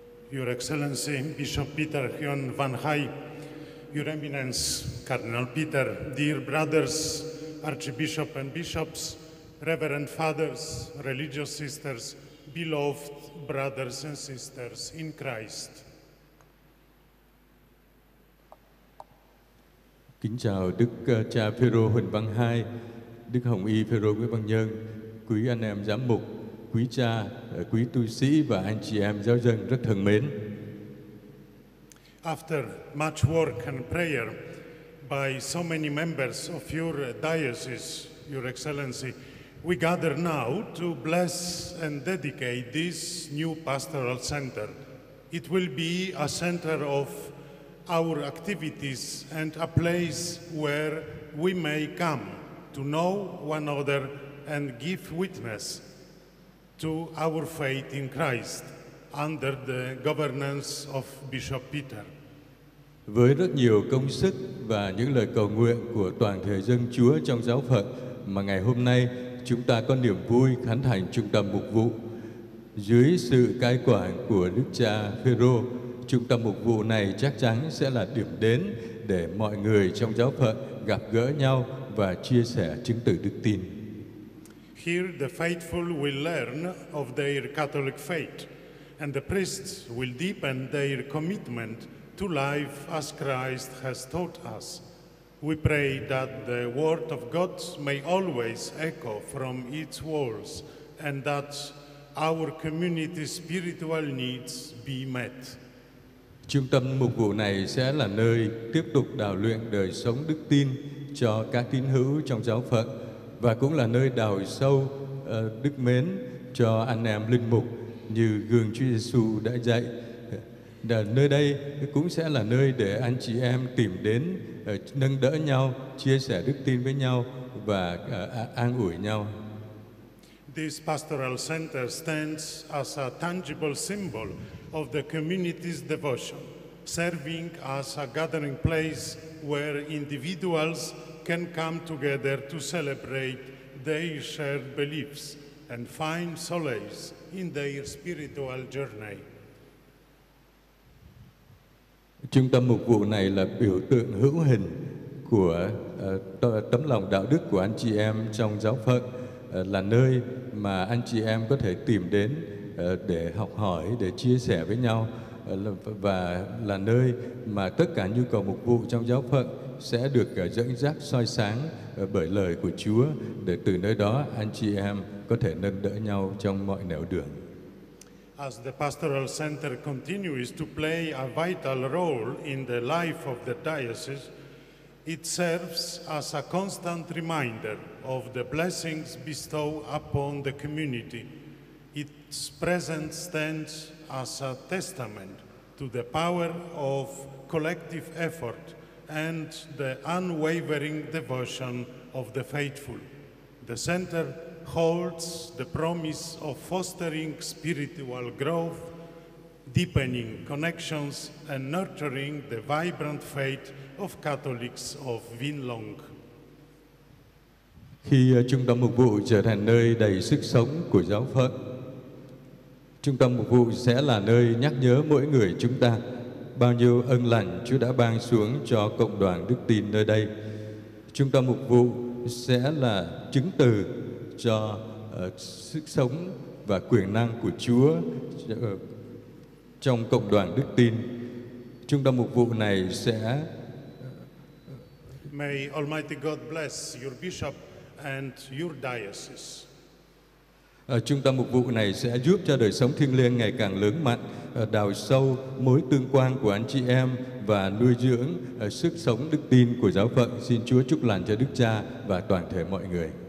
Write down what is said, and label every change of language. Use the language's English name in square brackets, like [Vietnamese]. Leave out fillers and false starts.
[English] Your Excellency Bishop Peter Hyun Van Hai, Your Eminence Cardinal Peter, dear brothers, Archbishop and bishops, Reverend Fathers, religious sisters, beloved brothers and sisters in Christ. [Vietnamese] Kính chào Đức Cha Phêrô Huỳnh Văn Hai, Đức Hồng Y Phêrô Nguyễn Văn Nhân, quý anh em giám mục, quý cha, quý tu sĩ và anh chị em giáo dân rất thân mến. [English] After much work and prayer by so many members of your diocese, Your Excellency, we gather now to bless and dedicate this new pastoral center. It will be a center of our activities and a place where we may come to know one another and give witness to our faith in Christ under the governance of Bishop Peter. [Vietnamese] Với rất nhiều công sức và những lời cầu nguyện của toàn thể dân Chúa trong giáo phận mà ngày hôm nay chúng ta có niềm vui khánh thành trung tâm mục vụ dưới sự cai quản của Đức Cha Phêrô, trung tâm mục vụ này chắc chắn sẽ là điểm đến để mọi người trong giáo phận gặp gỡ nhau và chia sẻ chứng từ đức tin. [English] Here the faithful will learn of their Catholic faith, and the priests will deepen their commitment to life as Christ has taught us. We pray that the word of God may always echo from its walls, and that our community's spiritual needs be met. [Vietnamese] Trung tâm mục vụ này sẽ là nơi tiếp tục đào luyện đời sống đức tin cho các tín hữu trong giáo phận, và cũng là nơi đào sâu đức mến cho anh em linh mục như gương Chúa Giêsu đã dạy. Nơi đây cũng sẽ là nơi để anh chị em tìm đến, nâng đỡ nhau, chia sẻ đức tin với nhau và an ủi nhau. [English] This pastoral center stands as a tangible symbol of the community's devotion, serving as a gathering place where individuals can come together to celebrate their shared beliefs and find solace in their spiritual journey. [Vietnamese] Trung tâm mục vụ này là biểu tượng hữu hình của tấm lòng đạo đức của anh chị em trong giáo phận, là nơi mà anh chị em có thể tìm đến để học hỏi, để chia sẻ với nhau, và là nơi mà tất cả nhu cầu mục vụ trong giáo phận sẽ được dẫn dắt soi sáng bởi lời của Chúa, để từ nơi đó anh chị em có thể nâng đỡ nhau trong mọi nẻo đường. [English] As the pastoral center continues to play a vital role in the life of the diocese, it serves as a constant reminder of the blessings bestowed upon the community. Its presence stands as a testament to the power of collective effort and the unwavering devotion of the faithful. The center holds the promise of fostering spiritual growth, deepening connections, and nurturing the vibrant faith of Catholics of Vinh Long. [Vietnamese] Khi trung tâm mục vụ trở thành nơi đầy sức sống của giáo phận, trung tâm mục vụ sẽ là nơi nhắc nhớ mỗi người chúng ta bao nhiêu ân lành Chúa đã ban xuống cho cộng đoàn đức tin nơi đây. Trung tâm mục vụ sẽ là chứng từ cho sức sống và quyền năng của Chúa trong cộng đoàn đức tin. Trung tâm mục vụ này sẽ [English] May Almighty God bless your bishop and your diocese. [Vietnamese] Trung tâm mục vụ này sẽ giúp cho đời sống thiêng liêng ngày càng lớn mạnh, đào sâu mối tương quan của anh chị em và nuôi dưỡng sức sống đức tin của giáo phận. Xin Chúa chúc lành cho Đức Cha và toàn thể mọi người.